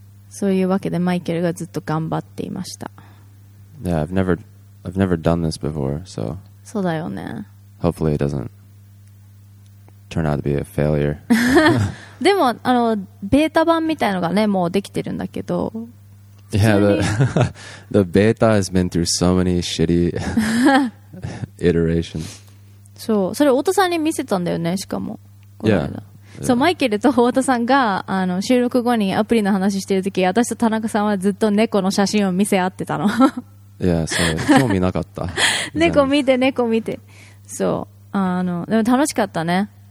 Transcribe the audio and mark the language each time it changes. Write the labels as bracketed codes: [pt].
[ja] そういうわけでマイケルがずっと頑張っていました [en] Yeah, I've never done this before, so [ja] そうだよね [en] Hopefully it doesn't turn out to be a failure [ja] でもベータ版みたいのがねもうできてるんだけど [en] Yeah, the beta has been through so many shitty iterations. [ja] そう、それ太田さんに見せたんだよね、しかも。 [en] Yeah. [ja] そう、マイケルと太田さんが収録後にアプリの話してるとき、私と田中さんはずっと猫の写真を見せ合ってたの。 Yeah, そう、興味なかった。猫見て、猫見て。そう、でも楽しかったね。